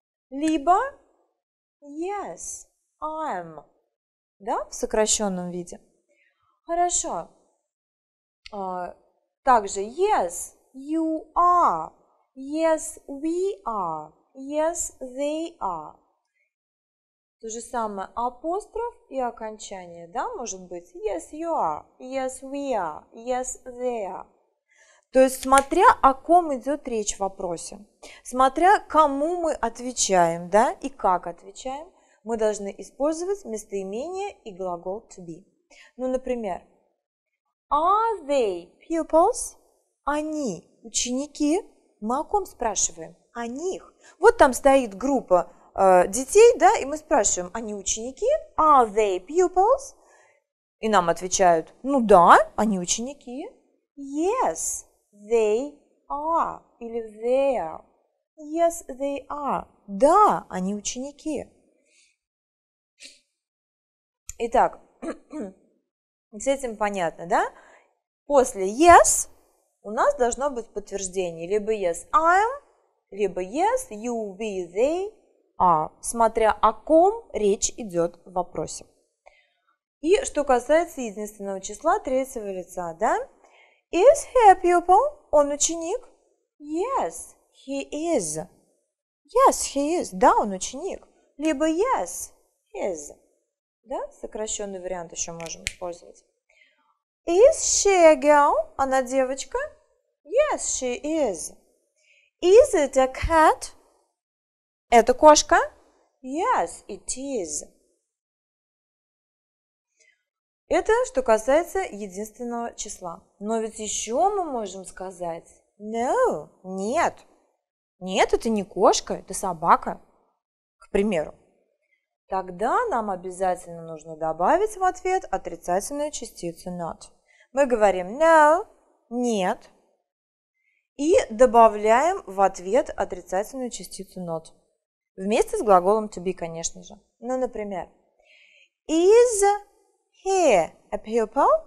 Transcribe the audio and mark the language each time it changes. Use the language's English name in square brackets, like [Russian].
[Russian] Либо [English] yes, I am. [Russian] Да, в сокращенном виде. Хорошо. Также [English] yes, you are. Yes, we are. Yes, they are. [Russian] То же самое апостроф и окончание, да, может быть. [English] Yes, you are. Yes, we are. Yes, they are. [Russian] То есть, смотря о ком идет речь в вопросе, смотря кому мы отвечаем, да, и как отвечаем, мы должны использовать местоимение и глагол to be. Ну, например, [English] are they pupils? [Russian] Они ученики. Мы о ком спрашиваем? О них. Вот там стоит группа детей, да, и мы спрашиваем, они ученики? [English] Are they pupils? [Russian] И нам отвечают, ну да, они ученики. [English] Yes. They are [Russian] или [English] they are. Yes, they are. [Russian] Да, они ученики. Итак, с этим понятно, да? После yes у нас должно быть подтверждение. Либо [English] yes, I am, [Russian] либо [English] yes, you, we, they are. [Russian] Смотря о ком речь идет в вопросе. И что касается единственного числа третьего лица, да? [English] Is he a pupil? [Russian] Он ученик? [English] Yes, he is. Yes, he is. [Russian] Да, он ученик. Либо [English] yes, he is. [Russian] Да, сокращенный вариант еще можем использовать. [English] Is she a girl? [Russian] Она девочка? [English] Yes, she is. Is it a cat? [Russian] Это кошка? [English] Yes, it is. [Russian] Это что касается единственного числа. Но ведь еще мы можем сказать no, нет. Нет, это не кошка, это собака, к примеру. Тогда нам обязательно нужно добавить в ответ отрицательную частицу not. Мы говорим no, нет. И добавляем в ответ отрицательную частицу not. Вместе с глаголом to be, конечно же. Ну, например, [English] is he a pupil?